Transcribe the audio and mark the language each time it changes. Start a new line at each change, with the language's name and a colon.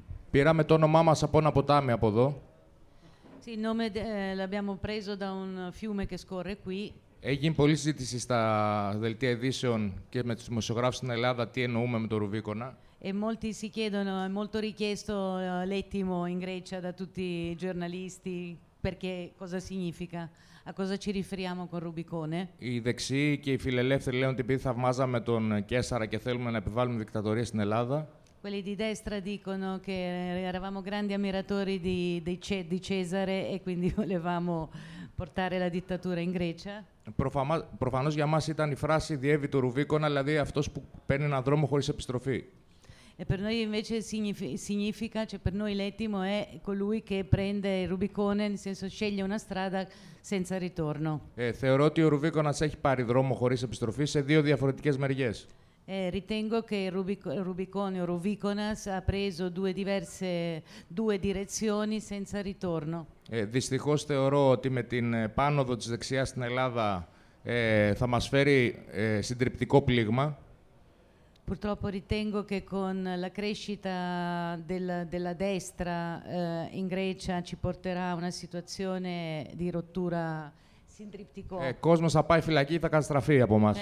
Greek: Πήραμε το όνομά μας από ένα ποτάμι από εδώ.
Italian: Sì, il nome l'abbiamo preso da un fiume che scorre qui.
Greek: Έγινε πολλή συζήτηση στα δελτία ειδήσεων και με τους δημοσιογράφους στην Ελλάδα τι εννοούμε με το Ρουβίκονα.
Italian: E molti si chiedono, è molto richiesto l'etimo in Grecia da tutti i giornalisti, perché cosa significa, a cosa ci riferiamo con Rubicone.
Greek: Οι δεξιοί και οι φιλελεύθεροι λένε ότι επειδή θαυμάζαμε τον Κέσσαρα και θέλουμε να επιβάλλουμε δικτατορία στην Ελλάδα.
Italian: Quelli di destra dicono che eravamo grandi ammiratori di Cesare e quindi volevamo portare la dittatura in Grecia.
Greek: Προφανώς για μας ήταν η φράση «Διεύει το Ρουβίκονα», δηλαδή αυτός που παίρνει έναν δρόμο χωρίς επιστροφή.
Italian: E per noi invece significa, cioè per noi l'etimo è colui che prende il Rubicone, nel senso sceglie una strada senza ritorno.
Greek: Θεωρώ ότι ο Ρουβίκονας έχει πάρει δρόμο χωρίς επιστροφή σε δύο διαφορετικές μεριές.
Italian: Ritengo che Rubicone o Rubiconas ha preso due direzioni senza ritorno.
Greek: Δυστυχώς θεωρώ ότι με την πάνωδο της δεξιάς στην Ελλάδα θα μας φέρει συντριπτικό πλήγμα.
Italian: Purtroppo ritengo che con la crescita della destra in Grecia ci porterà una situazione di rottura.
Greek: Κόσμος θα πάει φυλακή ή θα καταστραφεί από εμάς.